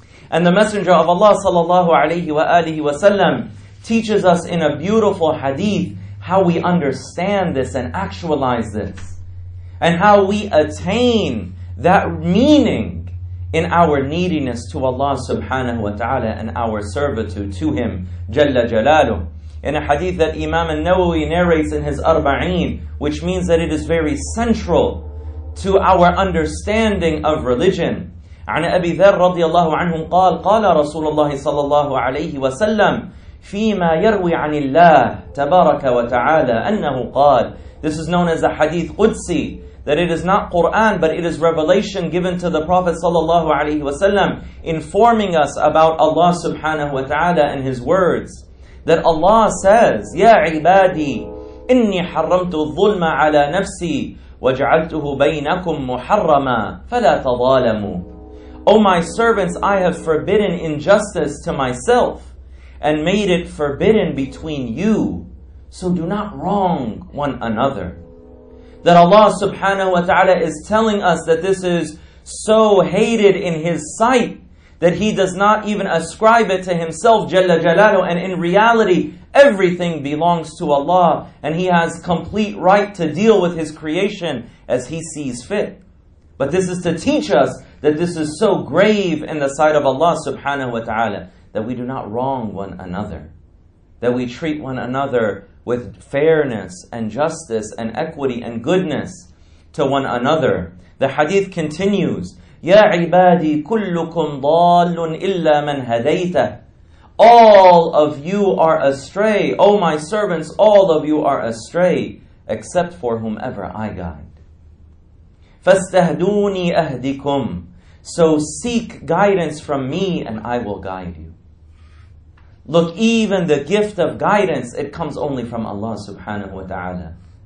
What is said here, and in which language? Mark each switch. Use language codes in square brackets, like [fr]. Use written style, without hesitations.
[en] And the Messenger of Allah sallallahu alayhi wa alihi wa sallam teaches us in a beautiful hadith how we understand this and actualize this, and how we attain that meaning in our neediness to Allah subhanahu wa ta'ala and our servitude to Him, Jalla Jalaluh. In a hadith that Imam al-Nawawi narrates in his Arba'een, which means that it is very central to our understanding of religion. [ar] عن أبي ذر رضي الله عنه قال قال رسول الله صلى الله عليه وسلم فيما يروي عن الله تبارك وتعالى أنه قال. [en] This is known as a hadith Qudsi, that it is not Quran, but it is revelation given to the Prophet sallallahu alaihi wasallam, informing us about Allah subhanahu wa ta'ala and His words. That Allah says, [ar] يا عبادي إني حرمت الظلم على نفسي وجعلته بينكم محرما فلا تظالموا. [en] O my servants, I have forbidden injustice to myself and made it forbidden between you. So do not wrong one another. That Allah subhanahu wa ta'ala is telling us that this is so hated in His sight that He does not even ascribe it to Himself, Jalla Jalalu. And in reality, everything belongs to Allah, and He has complete right to deal with His creation as He sees fit. But this is to teach us that this is so grave in the sight of Allah subhanahu wa ta'ala, that we do not wrong one another, that we treat one another with fairness and justice and equity and goodness to one another. The hadith continues, [ar] يَا عِبَادِي كُلُّكُمْ ضَالٌ إِلَّا مَنْ هَدَيْتَ. [en] All of you are astray. O my servants, all of you are astray, except for whomever I guide. [ar] فَاسْتَهْدُونِي أَهْدِكُمْ. [en] So seek guidance from me and I will guide you. Look, even the gift of guidance, it comes only from Allah subhanahu wa ta'ala.